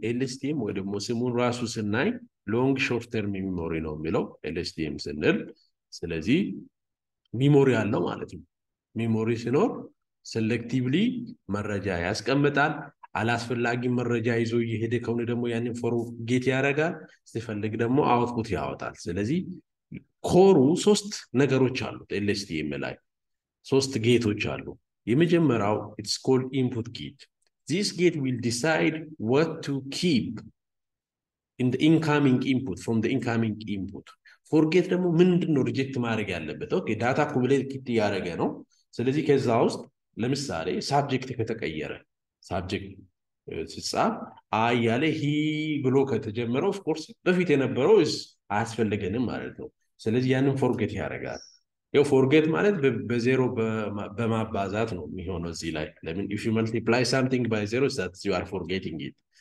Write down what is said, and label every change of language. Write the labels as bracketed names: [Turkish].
[Amharic] LSTM ወይ ደግሞ ስሙን ራሱ ስናይ ሎንግ ሾርት ተርም ሜሞሪ ነው የሚለው LSTM ስንል። ስለዚህ ሜሞሪ አለው ማለት ነው። ሜሞሪ ሲኖር selectively መረጃ ያስቀምጣል። አላስፈላጊ መረጃ ይዞ ይሄደ ከሆነ ደግሞ ያንን ፎርጌት ያረጋል፣ ሲፈልግ ደግሞ አውትፑት ያወጣል። ስለዚህ ኮሩ ሶስት ነገሮች አሉት። LSTM ላይ ሶስት ጌቶች አሉ። የመጀመሪያው [English] it's called input gate. This gate will decide what to keep in the incoming input from the incoming input. [Amharic] ፎርጌት ደግሞ ምንድነው ሪጀክት ማድረግ ያለበት? ኦኬ ዳታ ኮምፕሌት ኪት ያረገ ነው። ስለዚህ ከዛ ውስጥ ለምሳሌ ሳብጀክት ከተቀየረ ሳብጀክት ሲጻፍ አይ ያለ ሂ ብሎ ከተጀመረ [English] ኦፍ ኮርስ [Amharic] በፊት የነበረው አያስፈልገንም ማለት ነው። ስለዚህ ያንን ፎርጌት ያደርጋል። ያው ፎርጌት ማለት በዜሮ በማባዛት ነው የሚሆነው እዚህ ላይ። ለምን [English] ኢፍ ዩ መልቲፕላይ ሳምቲንግ ባይ ዜሮ ዛትስ ዩ አር ፎርጌቲንግ ኢት።